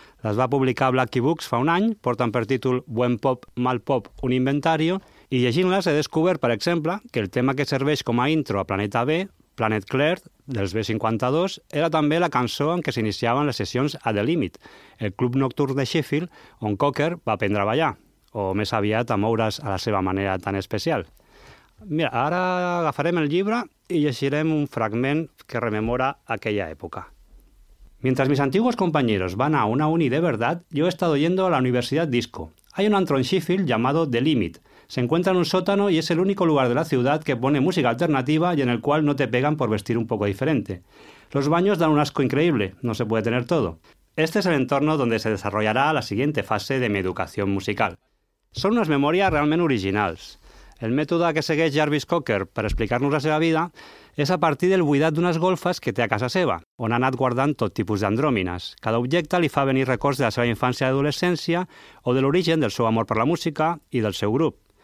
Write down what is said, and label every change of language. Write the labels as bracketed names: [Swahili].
[Catalan] Les va publicar Blacky Books fa un any, porten per títol Buen Pop, Mal Pop, Un Inventario, i llegint-les he descobert, per exemple, que el tema que serveix com a intro a Planeta B, Planet Claire, dels B-52, era també la cançó en què s'iniciaven les sessions a The Limit, el club nocturn de Sheffield, on Cocker va aprendre a ballar, o més aviat a moure's a la seva manera tan especial. Mira, ara agafarem el llibre i llegirem un fragment que rememora aquella època. [Spanish] Mientras mis antiguos compañeros van a una uni de verdad, yo he estado yendo a la Universidad Disco. Hay un antro en Sheffield llamado The Limit. Se encuentra en un sótano y es el único lugar de la ciudad que pone música alternativa y en el cual no te pegan por vestir un poco diferente. Los baños dan un asco increíble, no se puede tener todo. Este es el entorno donde se desarrollará la siguiente fase de mi educación musical. Son unas memorias realmente originales. [Catalan] El mètode que segueix Jarvis Cocker per explicar-nos la seva vida és a partir del buidat d'unes golfes que té a casa seva, on ha anat guardant tot tipus d'andròmines. Cada objecte li fa venir records de la seva infància i adolescència o de l'origen del seu amor per la música i del seu grup.